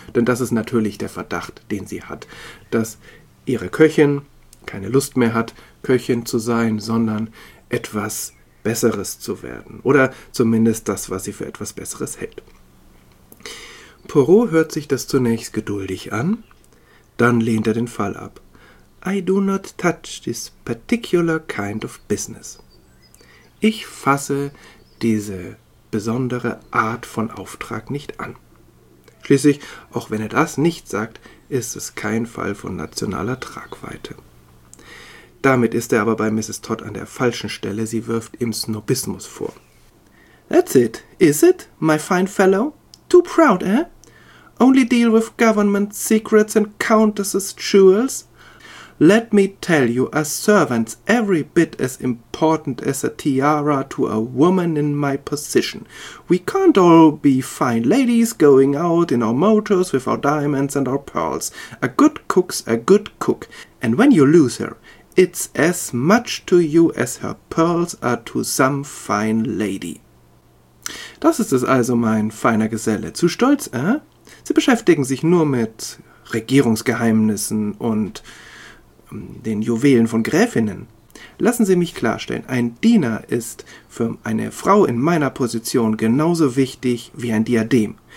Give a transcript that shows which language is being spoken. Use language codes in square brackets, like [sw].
[de] Denn das ist natürlich der Verdacht, den sie hat, dass ihre Köchin keine Lust mehr hat, Köchin zu sein, sondern etwas Besseres zu werden. Oder zumindest das, was sie für etwas Besseres hält. Poirot hört sich das zunächst geduldig an, dann lehnt er den Fall ab. [en] I do not touch this particular kind of business. [de] Ich fasse diese besondere Art von Auftrag nicht an. Schließlich, auch wenn er das nicht sagt, ist es kein Fall von nationaler Tragweite. Damit ist er aber bei Mrs. Todd an der falschen Stelle. Sie wirft ihm Snobismus vor. [en] That's it, is it, my fine fellow? Too proud, eh? Only deal with government secrets and countess's jewels? Let me tell you, a servant's every bit as important as a tiara to a woman in my position. We can't all be fine ladies going out in our motors with our diamonds and our pearls. A good cook's a good cook, and when you lose her, it's as much to you as her pearls are to some fine lady. [de] Das ist es also, mein feiner Geselle. Zu stolz, eh? Sie beschäftigen sich nur mit Regierungsgeheimnissen und den Juwelen von Gräfinnen. Lassen Sie mich klarstellen, ein Diener ist für eine Frau in meiner Position genauso wichtig wie ein Diadem.